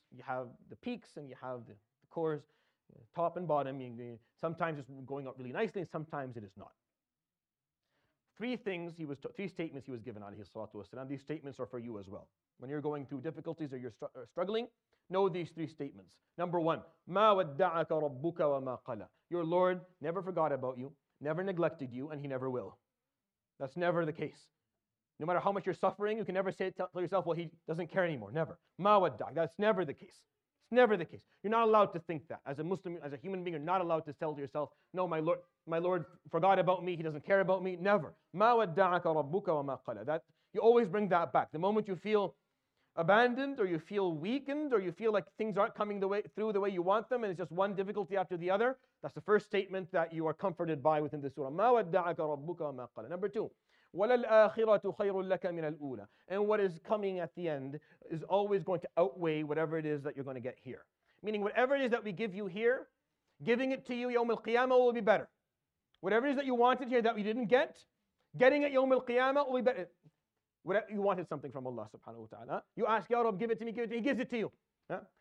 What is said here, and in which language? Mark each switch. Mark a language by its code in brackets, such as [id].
[en] You have the peaks and you have the cores, top and bottom. Sometimes it's going up really nicely and sometimes it is not. Three statements he was given, alayhi salatu wasalam. These statements are for you as well. When you're going through difficulties or you're struggling, know these three statements. Number one, [ar] مَا وَدَّعَكَ رَبُّكَ وَمَا قَلَى. [en] Your Lord never forgot about you, never neglected you, and He never will. That's never the case. No matter how much you're suffering, you can never say to yourself, well, He doesn't care anymore. Never. [ar] مَا وَدَّعَكَ. [en] That's never the case. It's never the case. You're not allowed to think that. As a Muslim, as a human being, you're not allowed to tell to yourself, no, my Lord forgot about me, He doesn't care about me. Never. [ar] مَا وَدَّعَكَ رَبُّكَ وَمَا قَلَى. [en] That, you always bring that back. The moment you feel abandoned, or you feel weakened, or you feel like things aren't coming through the way you want them, and it's just one difficulty after the other, that's the first statement that you are comforted by within the surah. [ar] مَا وَدَّعَكَ رَبُّكَ وَمَا قَلَى. [en] Number two, [ar] وَلَلْآخِرَةُ خَيْرٌ لَكَ مِنَ الْأُولَى. [en] And what is coming at the end is always going to outweigh whatever it is that you're going to get here. Meaning whatever it is that we give you here, giving it to you يَوْمِ الْقِيَامَةِ will be better. Whatever it is that you wanted here that we didn't get, getting it يَوْمِ الْقِيَامَةِ will be better. You wanted something from Allah subhanahu wa ta'ala. You ask, Ya Rab, give it to me, He gives it to you. Huh?